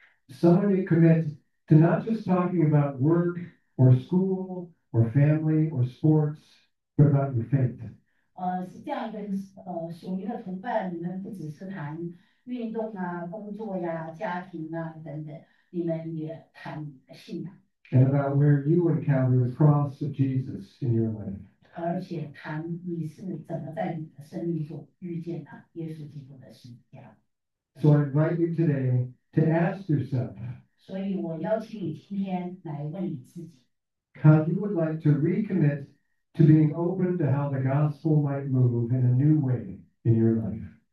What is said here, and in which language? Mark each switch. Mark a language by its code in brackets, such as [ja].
[en] Someone who commits to not just talking about work or school or family or sports, but about your faith. [zh] 是这样跟属灵的同伴，你们不只是谈运动啊、工作呀、家庭啊等等，你们也谈信仰。 [en] And about where you encounter the cross of Jesus in your life. [zh] 而且谈你是怎么在你的生命中遇见他耶稣基督的事。 [en] So I invite you today to ask yourself. [zh] 所以我邀请你今天来问你自己。 [en] How you would like to recommit to being open to how the gospel might move in a new way in your life.